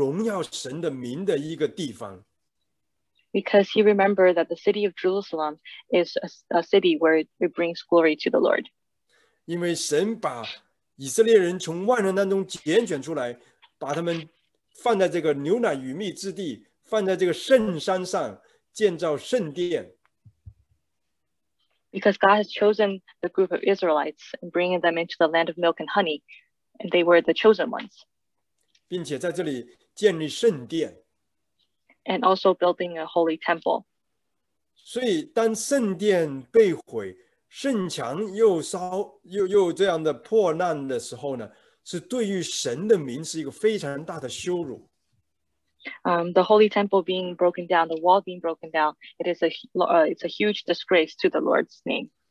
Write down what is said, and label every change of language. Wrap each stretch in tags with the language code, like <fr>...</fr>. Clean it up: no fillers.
<zh>所以他没有忘记神自己的城了，耶路撒冷城了，是神立这个城，成为荣耀神的名的一个地方。</zh> <en>Because he remembered that the city of Jerusalem is a city where it brings glory to the Lord.</en> <zh>因为神把以色列人从万人当中拣选出来，把他们放在这个牛奶与蜜之地，放在这个圣山上。建造圣殿,</zh> <en>because God has chosen the group of Israelites and bringing them into the land of milk and honey, and they were the chosen ones.</en> <zh>并且在这里建立圣殿,</zh> <en>and also building a holy temple.</en> <zh>所以当圣殿被毁, 圣墙又烧,又这样的破烂的时候呢, 是对于神的名是一个非常大的羞辱。</zh> <en>The holy temple being broken down, the wall being broken down, it is a huge disgrace to the Lord's name.</en>